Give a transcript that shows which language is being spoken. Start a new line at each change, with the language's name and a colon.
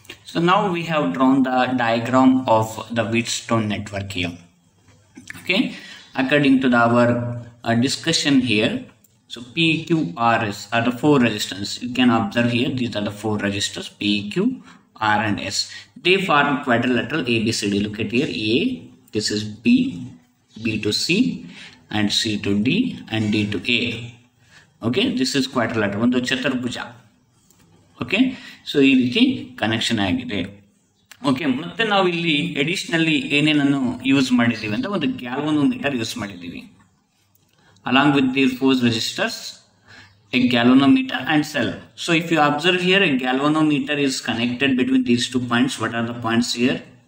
English: So now we have drawn the diagram of the Wheatstone network here. Okay, according to the our discussion here, so P, Q, R, S are the four registers. You can observe here these are the four registers P, Q, R and S. They form quadrilateral ABCD. Look at here, A, this is B, B to C, and C to D, and D to A. Okay, this is quadrilateral. One, two, chatur bhuja. Okay, so here is the connection.
Kannada: Okay, ಮತ್ತೆ ನಾವು ಇಲ್ಲಿ ಎಡಿಷ್ನಲ್ಲಿ ಏನೇನನ್ನು use ಮಾಡಿದ್ದೀವಿ ಅಂದರೆ ಒಂದು galvanometer use ಮಾಡಿದ್ದೀವಿ
English: Along with the four registers, a galvanometer and cell. So if you observe here, a galvanometer is connected between these two points. What are the points here?